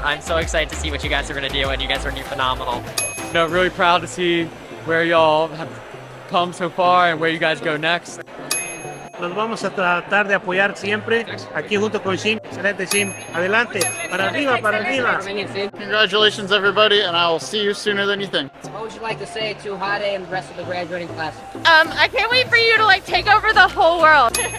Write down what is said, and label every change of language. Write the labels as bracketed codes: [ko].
[en] I'm so excited to see what you guys are going to do, and you guys are going to be phenomenal. You know, really proud to see where y'all have come so far and where you guys go next. [es] Nos vamos a tratar de apoyar siempre aquí junto con Sim. Excelente, Sim. Adelante. Para arriba, para arriba. [en] Congratulations, everybody, and I will see you sooner than you think. What would you like to say to Hade and the rest of the graduating class? I can't wait for you to, like, take over the whole world.